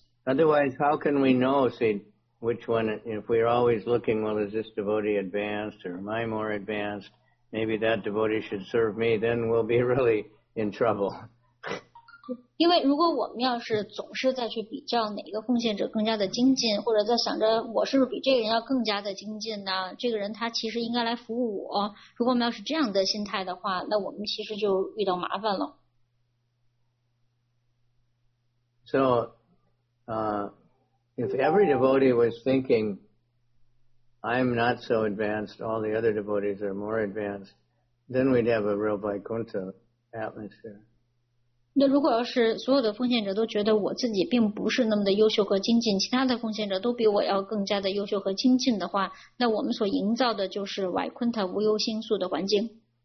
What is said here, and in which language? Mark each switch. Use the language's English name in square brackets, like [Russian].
[English] Otherwise, how can we know, see, which one, if we're always looking, well, is this devotee advanced or am I more advanced? Maybe that devotee should serve me, then we'll be really in trouble. [Chinese] 因为如果我们要是总是在去比较哪个奉献者更加的精进，或者在想着我是不是比这个人要更加的精进呢？这个人他其实应该来服务我。如果我们要是这样的心态的话，那我们其实就遇到麻烦了。 [English] So,if every devotee was thinking, I'm not so advanced, all the other devotees are more advanced, then we'd have a real Vaikuntha atmosphere. [Chinese] 那如果要是所有的奉献者都觉得我自己并不是那么的优秀和精进，其他的奉献者都比我要更加的优秀和精进的话，那我们所营造的就是 Vaikuntha 无忧心素的环境。